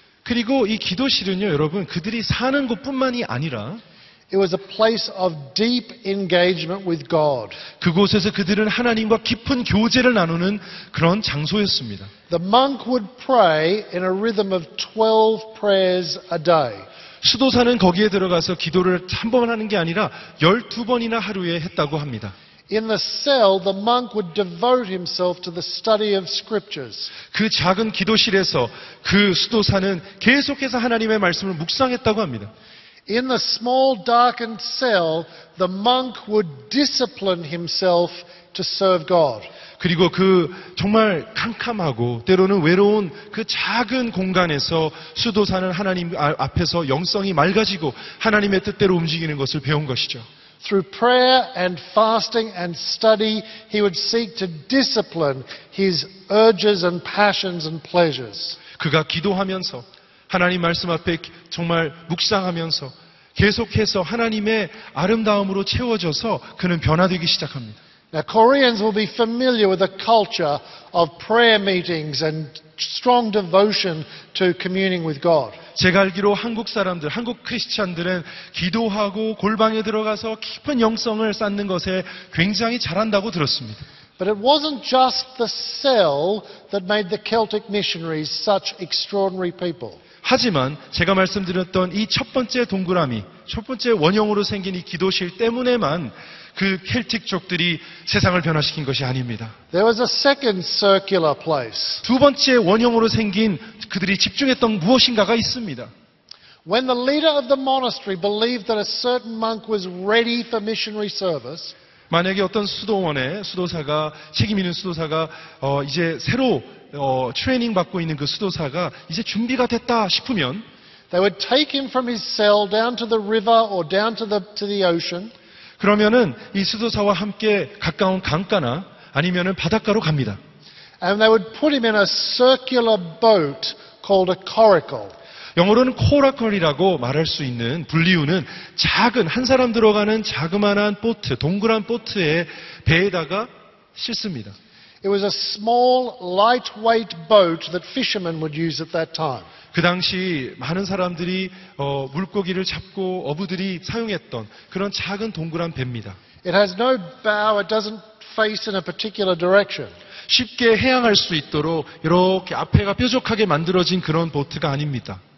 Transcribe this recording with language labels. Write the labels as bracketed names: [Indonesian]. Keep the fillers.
[Korean] 그리고 이 기도실은요, 여러분, 그들이 사는 곳뿐만이 아니라 [English] It was a place of deep engagement with God. [Korean] 그곳에서 그들은 하나님과 깊은 교제를 나누는 그런 장소였습니다. [English] The monk would pray in a rhythm of 12 prayers a day. [Korean] 수도사는 거기에 들어가서 기도를 한 번 하는 게 아니라 12번이나 하루에 했다고 합니다. [English] In the cell, the monk would devote himself to the study of scriptures. [Korean] 그 작은 기도실에서 그 수도사는 계속해서 하나님의 말씀을 묵상했다고 합니다. [English] In the small darkened cell, the monk would discipline himself to serve God. [Korean] 그리고 그 정말 캄캄하고 때로는 외로운 그 작은 공간에서 수도사는 하나님 앞에서 영성이 맑아지고 하나님의 뜻대로 움직이는 것을 배운 것이죠. [English] Through prayer and fasting and study, he would seek to discipline his urges and passions and pleasures. [Korean] 그가 기도하면서 하나님 말씀 앞에 정말 묵상하면서 계속해서 하나님의 아름다움으로 채워져서 그는 변화되기 시작합니다. [English] Now, Koreans will be familiar with a culture of prayer meetings and strong devotion to communing with God. [Korean] 제가 알기로 한국 사람들, 한국 크리스천들은 기도하고 골방에 들어가서 깊은 영성을 쌓는 것에 굉장히 잘한다고 들었습니다. [English] But it wasn't just the cell that made the Celtic missionaries such extraordinary people. [Korean] 하지만 제가 말씀드렸던 이 첫 번째 동그라미, 첫 번째 원형으로 생긴 이 기도실 때문에만 그 켈틱족들이 세상을 변화시킨 것이 아닙니다. [English] There was a second circular place. [Korean] 두 번째 원형으로 생긴 그들이 집중했던 무엇인가가 있습니다. [English] When the leader of the monastery believed that a certain monk was ready for missionary service, [Korean] 만약에 어떤 수도원의 수도사가 책임 있는 수도사가 어, 이제 새로 어, 트레이닝 받고 있는 그 수도사가 이제 준비가 됐다 싶으면 [English] they would take him from his cell down to the river or down to the to the ocean. [Korean] 그러면은 이 수도사와 함께 가까운 강가나 아니면은 바닷가로 갑니다. [English] And they would put him in a circular boat called a coracle. [Korean] 영어로는 코라클이라고 말할 수 있는 분리우는 작은 한 사람 들어가는 자그마한 보트, 동그란 보트에 배에다가 싣습니다. [English] It was a small, lightweight boat that fishermen would use at that time. [Korean] 그 당시 많은 사람들이 어, 물고기를 잡고 어부들이 사용했던 그런 작은 동그란 배입니다. [English] It has no bow. It doesn't face in a particular direction. [Korean] 쉽게 해양할 수 있도록 이렇게 앞에가 뾰족하게 만들어진 그런 보트가 아닙니다.